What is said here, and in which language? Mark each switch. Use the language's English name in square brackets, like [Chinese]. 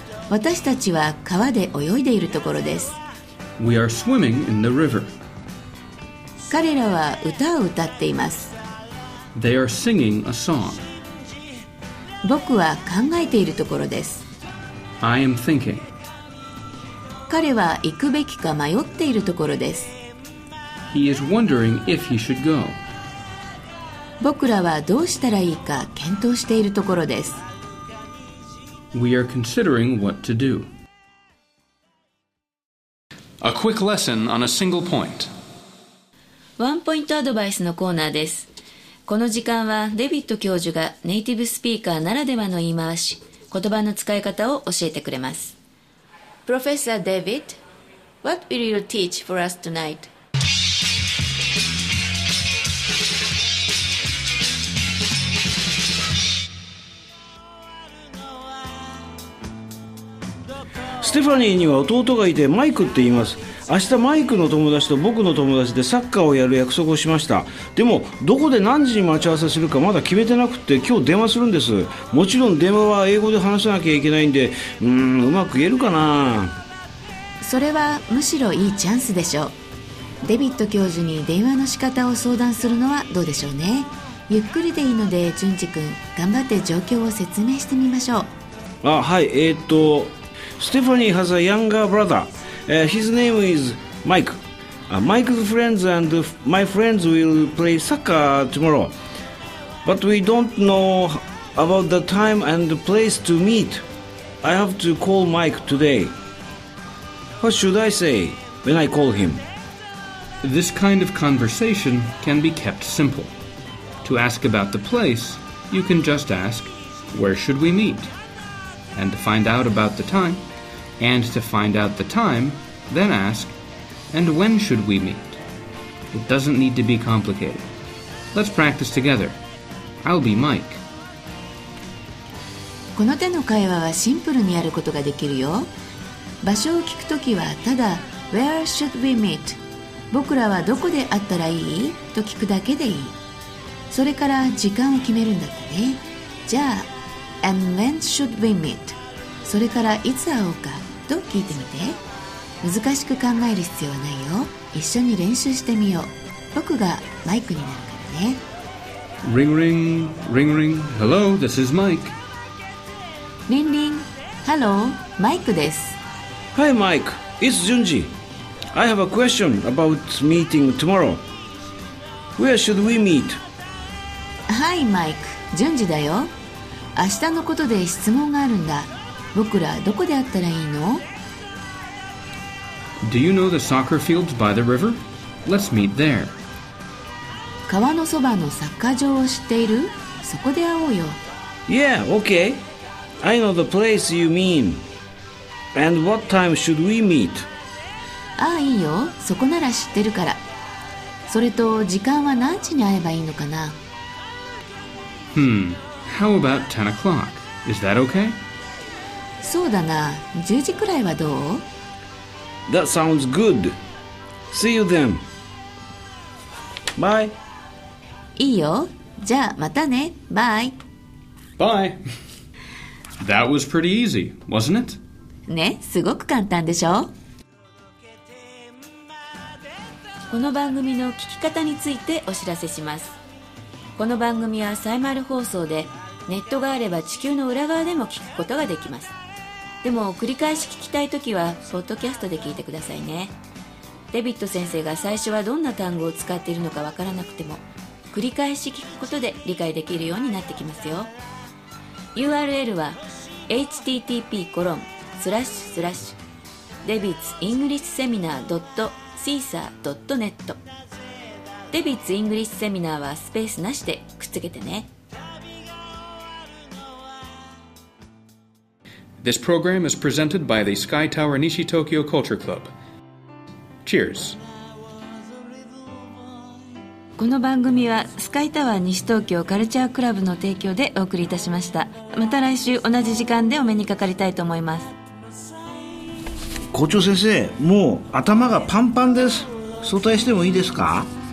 [Japanese] 私たちは川で泳いでいるところです。 [English] We are swimming in the river. [Japanese] 彼らは歌を歌っています。 [English] They are singing a song. [Japanese] 僕は考えているところです。 [English] I am thinking. [Japanese] 彼は行くべきか迷っているところです。 [English] He is wondering if he should go. [Japanese] 僕らはどうしたらいいか検討しているところです。 [English] We are considering what to do. A quick lesson on a single point. [Japanese] ワンポイントアドバイスのコーナーです。この時間はデビッド教授がネイティブスピーカーならではの言い回し、言葉の使い方を教えてくれます。 [English] Professor David, what will you teach for us tonight? [Japanese] ステファニーには弟がいてマイクって言います。明日マイクの友達と僕の友達でサッカーをやる約束をしました。でもどこで何時に待ち合わせするかまだ決めてなくて今日電話するんです。もちろん電話は英語で話さなきゃいけないんで、うーん、うまく言えるかな。それはむしろいいチャンスでしょう。デビッド教授に電話の仕方を相談するのはどうでしょうね。ゆっくりでいいので淳二君、頑張って状況を説明してみましょう。あ、はい、 [English] Stephanie has a younger brother. His name is Mike. Mike's friends and my friends will play soccer tomorrow. But we don't know about the time and place to meet. I have to call Mike today. What should I say when I call him? This kind of conversation can be kept simple. To ask about the place, you can just ask, "Where should we meet?" And to find out about the time, And to find out the time, then ask, and when should we meet? It doesn't need to be complicated. Let's practice together. I'll be Mike. [Japanese] この手の会話はシンプルにやることができるよ。場所を聞くときはただ [English] Where should we meet? [Japanese] 僕らはどこで会ったらいい?と聞くだけでいい。それから時間を決めるんだったね。じゃあ [English] And when should we meet? [Japanese] それからいつ会おうか?と聞いてみて。難しく考える必要はないよ。一緒に練習してみよう。僕がマイクになるからね。 [English] Ring ring, ring ring. Hello, this is Mike. Ring ring. Hello, [Japanese] Mike です。 [English] Hi Mike, it's Junji. I have a question about meeting tomorrow. Where should we meet? Hi [Japanese] Mike, Junji だよ。明日のことで質問があるんだ。僕らどこで会ったらいいの? [English] Do you know the soccer fields by the river? Let's meet there. [Japanese] 川のそばのサッカー場を知っている? そこで会おうよ。 [English] Yeah, okay. I know the place you mean. And what time should we meet? [Japanese] ああ、いいよ。そこなら知ってるから。それと、時間は何時に会えばいいのかな? [English] How about 10 o'clock? Is that okay? [Japanese] そうだな。10時くらいはどう? [English] That sounds good. See you then. Bye. [Japanese] いいよ。じゃあ、またね。 [English] Bye. Bye. That was pretty easy, wasn't it? [Japanese] ね、すごく簡単でしょ。この番組の聞き方についてお知らせします。この番組はサイマル放送で、ネットがあれば地球の裏側でも聞くことができます。でも繰り返し聞きたいときはポッドキャストで聞いてくださいね。デビッド先生が最初はどんな単語を使っているのかわからなくても、繰り返し聞くことで理解できるようになってきますよ。 URL は http://debitsenglishseminar.caesar.net デビッツイングリッシュセミナーはスペースなしでくっつけてね。 [English] This program is presented by the Sky Tower Nishi Tokyo Culture Club. Cheers. [Japanese] この番組はスカイタワー西東京カルチャークラブの提供でお送りいたしました。また来週同じ時間でお目にかかりたいと思います。校長先生、もう頭がパンパンです。早退してもいいですか？